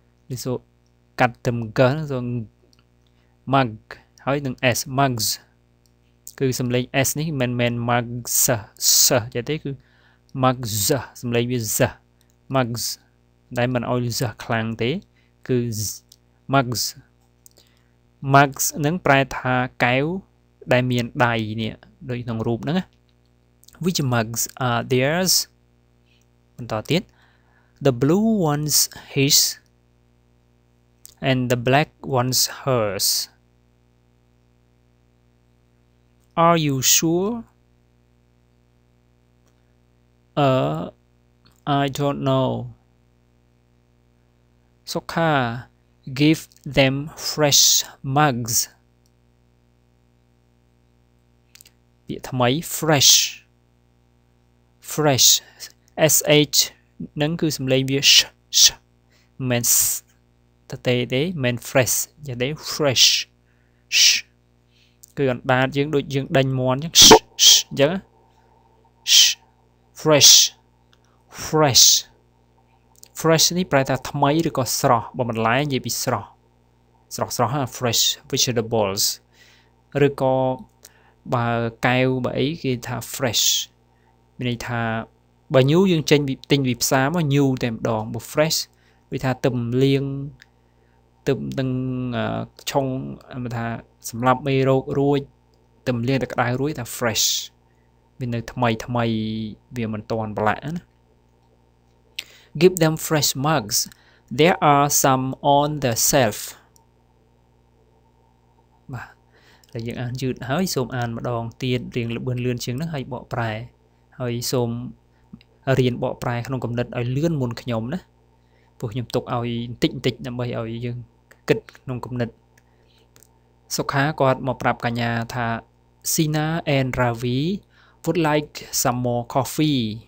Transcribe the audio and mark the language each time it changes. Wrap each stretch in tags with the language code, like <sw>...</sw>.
<km>នេះសូកាត់ទៅ g ហ្នឹងសូ mug ហើយនឹង s mugs គឺសំឡេង s នេះមិនមែន mugs សទេគឺ mugs សំឡេងវា z mugs ដែលមិនអោយ z ខ្លាំងទេគឺ mugs mugs នឹងប្រែថាកែវដែលមានដៃនេះដូចក្នុងរូបហ្នឹង</km> <en>Which mugs are theirs?</en> <km>បន្តទៀត</km> <en>The blue one's his and the black one's hers. Are you sure? I don't know. Sokha, give them fresh mugs.</en> <km>ពាក្យថ្មី fresh fresh sh នឹងគឺសំឡេងវា sh sh មិនតទេទេមិន fresh យ៉ាងនេះ fresh sh គឺអណ្ដាតយើងដូចយើងដេញមាន់អញ្ចឹង sh sh អញ្ចឹង sh fresh fresh fresh នេះប្រែថាថ្មីឬក៏ស្រស់បំលែងនិយាយពីស្រស់ស្រស់ស្រស់ហ៎ fresh vegetables ឬក៏បើកែវបើអីគេថា fresh មានន័យថាបើ new យើងចេញទិញវិផ្សារមក new តែម្ដងបើ fresh វាថាទឹមលៀង ទឹមនឹងឆុងមិនថាសម្រាប់មេរោគរួចទឹមលៀងតែក្ដៅរួចថា fresh វានៅថ្មីថ្មីវាមិនទាន់ប្រឡាក់ណា</km> <en>Give them fresh mugs. There are some on the shelf.</en> <km>តែយើងអានយឺតហើយសូមអានម្ដងទៀតរៀងលបឿនលឿនជាងនេះហើយបកប្រែហើយសូមរៀនបកប្រែក្នុងកំណត់ឲ្យលឿនមុនខ្ញុំណាព្រោះខ្ញុំទុកឲ្យបន្តិចបន្តិចដើម្បីឲ្យយើងគិតក្នុងកំណត់សុខាគាត់មកប្រាប់កញ្ញាថា</km> <en>Sina and Ravi would like some more coffee</en>